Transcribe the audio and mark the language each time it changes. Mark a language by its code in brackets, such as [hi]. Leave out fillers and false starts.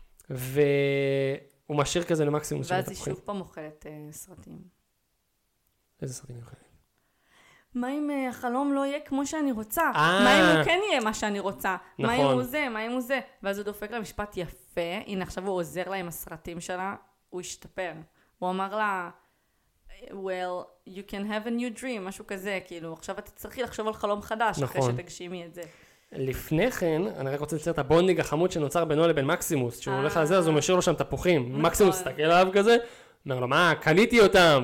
[he] והוא משאיר כזה למקסימום של התפוחים. ואז היא שוב פה מוכלת סרטים. איזה סרטים היא אוכלת? מה אם החלום לא יהיה כמו שאני רוצה? מה אם הוא כן יהיה מה שאני רוצה? מה אם הוא זה? מה אם הוא זה? ואז הוא דופק למשפט יפה. הנה, עכשיו הוא עוזר לה עם הסרטים שלה. הוא השתפר. הוא אמר לה, [en] well, you can have a new dream, [he] משהו כזה. כאילו, עכשיו אתה צריכי לחשוב על חלום חדש, אחרי שתגשימי את זה. לפני כן, אני רק רוצה לצייר את הבונדינג החמוד שנוצר בינו לבין מקסימוס. כשהוא הולך לזה, אז הוא משאיר לו שם תפוחים. מקסימוס, תסתכל עליו כזה. אומר לו, מה, קניתי אותם.